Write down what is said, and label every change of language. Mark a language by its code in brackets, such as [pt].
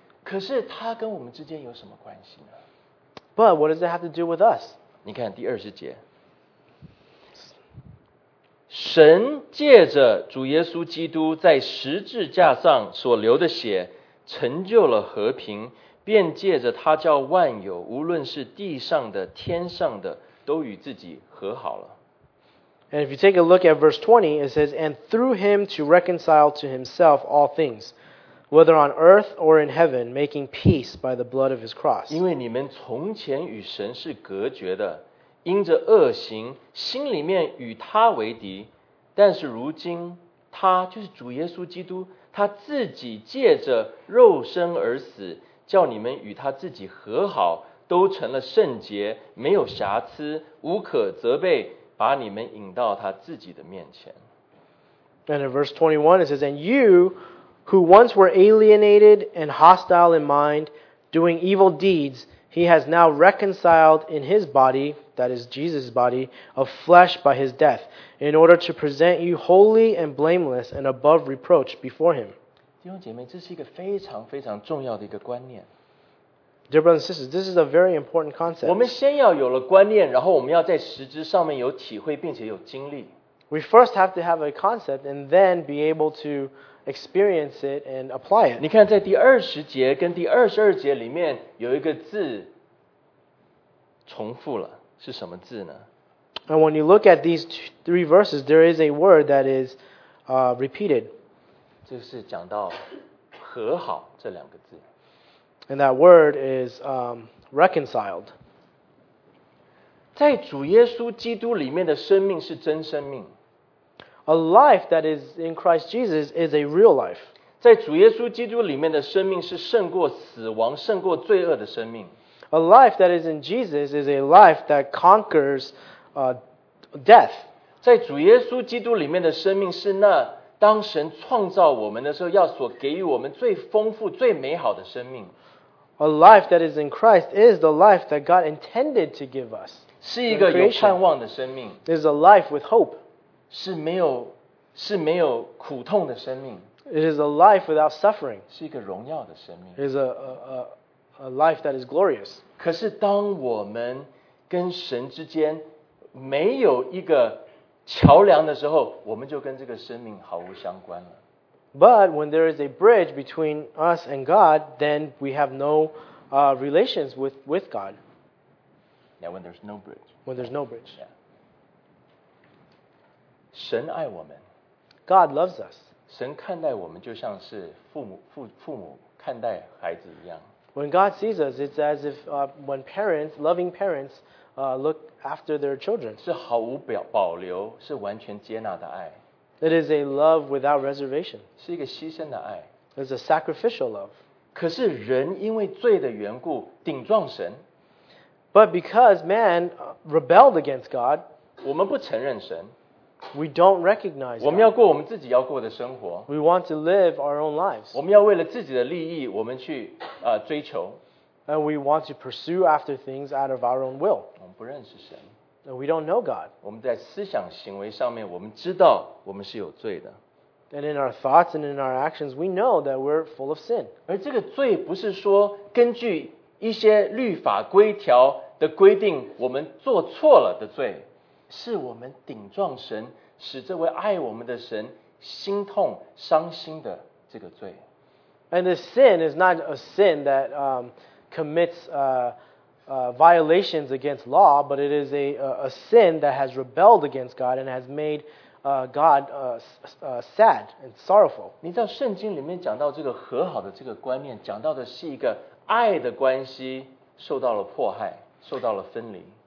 [zh] 可是他跟我们之间有什么关系呢？ [en] But what does it have to do with us? [zh] 你看第二十节。神借着主耶稣基督在十字架上所流的血成就了和平，便借着他叫万有，无论是地上的天上的，都与自己和好了。 [en] And if you take a look at verse 20, it says, And through him to reconcile to himself all things, whether on earth or in heaven, making peace by the blood of his cross. [zh] 因为你们从前与神是隔绝的，因着恶行，心里面与他为敌，但是如今他就是主耶稣基督，他自己借着肉身而死，叫你们与他自己和好，都成了圣洁，没有瑕疵，无可责备，把你们引到他自己的面前。 [en] And in verse 21 it says, And you who once were alienated and hostile in mind, doing evil deeds, he has now reconciled in his bodyThat is Jesus' body of flesh by his death, in order to present you holy and blameless and above reproach before him. [zh] 弟兄姐妹，这是一个非常非常重要的一个观念。 [en] Dear brothers and sisters, this is a very important concept. [zh] 我们先要有了观念，然后我们要在实质上面有体会，并且有经历。 [en] We first have to have a concept and then be able to experience it and apply it. [zh] 你看，在第二十节跟第二十二节里面有一个字重复了。是什么字呢？ [en] And when you look at these three verses, there is a word that is repeated. [zh] 就是讲到和好这两个字。 [en] And that word is reconciled. [zh] 在主耶稣基督里面的生命是真生命。 [en] A life that is in Christ Jesus is a real life. [zh] 在主耶稣基督里面的生命是胜过死亡、胜过罪恶的生命。 [en] A life that is in Jesus is a life that conquers death. [zh] 在主耶稣基督里面的生命是那当神创造我们的时候要所给予我们最丰富、最美好的生命。 [en] A life that is in Christ is the life that God intended to give us. [zh] 是一个有盼望的生命。 [en] Is a life with hope. [zh] 是没有苦痛的生命。 [en] It is a life without suffering. [zh] 是一个荣耀的生命。 [en] It is a life that is glorious. [zh] 可是当我们跟神之间没有一个桥梁的时候，我们就跟这个生命毫无相关了。 [en] But when there is a bridge between us and God, then we have no relations with God. Yeah, when there's no bridge. When there's no bridge. Yeah. [zh] 神爱我们。 [en] God loves us. [zh] 神看待我们就像是父母看待孩子一样。 [en] When God sees us, it's as if when parents, loving parents, look after their children. [zh] 是毫无保留，是完全接纳的爱。 [en] It is a love without reservation. [zh] 是一个牺牲的爱。 [en] It's a sacrificial love. [zh] 可是人因为罪的缘故顶撞神。 [en] But because man rebelled against God, [zh] 我们不承认神。 [en] We don't recognize. [zh] 我们要过我们自己要过的生活。 [en] We want to live our own lives. [zh] 我们要为了自己的利益，我们去追求。 [en] And we want to pursue after things out of our own will. [zh] 我们不认识神。 [en] And we don't know God. [zh] 我们在思想行为上面，我们知道我们是有罪的。 [en] And in our thoughts and in our actions, we know that we're full of sin. [zh] 而这个罪不是说根据一些律法规条的规定，我们做错了的罪，是我们顶撞神，使这位爱我们的神心痛伤心的这个罪。 [en] And the sin is not a sin that commits violations against law, but it is a sin that has rebelled against God and has made God sad and sorrowful. [zh] 你知道圣经里面讲到这个和好的这个观念，讲到的是一个爱的关系受到了迫害，受到了分离。